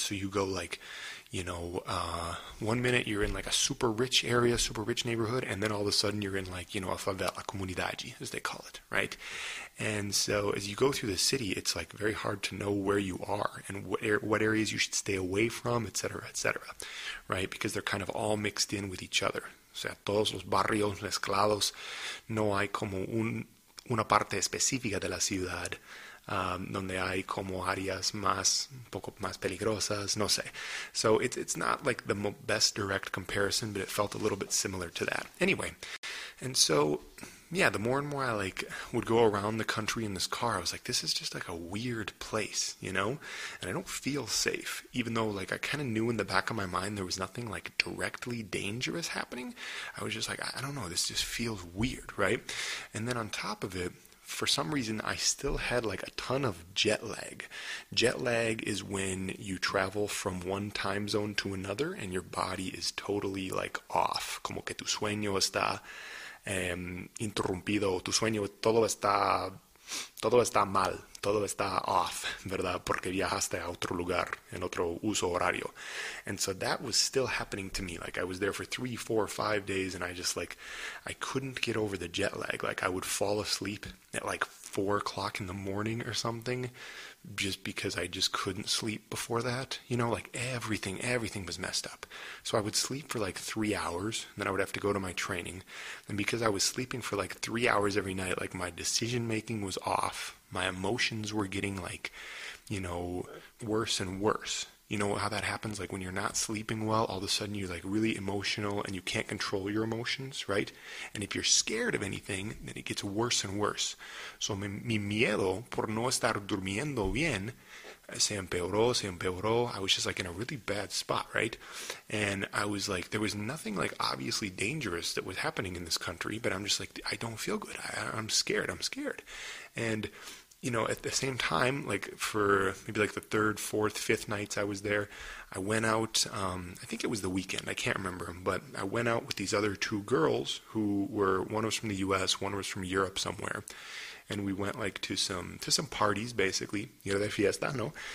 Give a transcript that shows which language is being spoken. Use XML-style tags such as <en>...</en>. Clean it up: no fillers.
<en>So you go like, you know, 1 minute you're in like a super rich area, super rich neighborhood, and then all of a sudden you're in like, you know, a favela, comunidade, as they call it, right? And so as you go through the city, it's like very hard to know where you are and what areas you should stay away from, et cetera, right? Because they're kind of all mixed in with each other.</en> <es>O sea, todos los barrios mezclados, no hay como una parte específica de la ciudad. Donde hay como áreas más, un poco más peligrosas, no sé.</es> <en>So it's not like the best direct comparison, but it felt a little bit similar to that. Anyway, and so, yeah, the more and more I like would go around the country in this car, I was like, this is just like a weird place, you know? And I don't feel safe, even though like I kind of knew in the back of my mind there was nothing like directly dangerous happening. I was just like, I don't know, this just feels weird, right? And then on top of it, for some reason, I still had like a ton of jet lag. Jet lag is when you travel from one time zone to another and your body is totally like off.</en> <es>Como que tu sueño está interrumpido. Tu sueño, todo está mal. Todo está off, ¿verdad? Porque viajaste a otro lugar, en otro uso horario.</es> <en>And so that was still happening to me. Like, I was there for 3, 4, 5 days, and I just, like, I couldn't get over the jet lag. Like, I would fall asleep at, like, 4 o'clock in the morning or something, just because I just couldn't sleep before that. You know, like, everything was messed up. So I would sleep for, like, 3 hours, and then I would have to go to my training. And because I was sleeping for, like, 3 hours every night, like, my decision-making was off. My emotions were getting, like, you know, worse and worse. You know how that happens? Like, when you're not sleeping well, all of a sudden you're, like, really emotional and you can't control your emotions, right? And if you're scared of anything, then it gets worse and worse.</en> <es>So mi miedo por no estar durmiendo bien se empeoró.</es> <en>I was just, like, in a really bad spot, right? And I was, like, there was nothing, like, obviously dangerous that was happening in this country, but I'm just, like, I don't feel good. I'm scared. And, you know, at the same time, like, for maybe, like, the third, fourth, fifth nights I was there, I went out, I think it was the weekend, I can't remember, but I went out with these other two girls who were, one was from the U.S., one was from Europe somewhere, and we went, like, to some parties, basically, you know,</en> <es>de fiesta, no?</es>